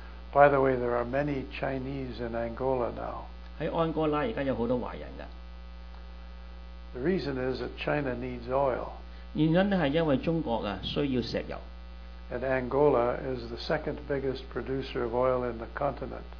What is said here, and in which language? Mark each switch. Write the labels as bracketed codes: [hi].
[en] By the way， there are many Chinese in Angola now。 [yue] 喺安哥拉而家有好多華人嘅。 [en] The reason is that China needs oil。 [yue] 原因係因為中國啊需要石油。 [en] And Angola is the second biggest producer of oil in the continent.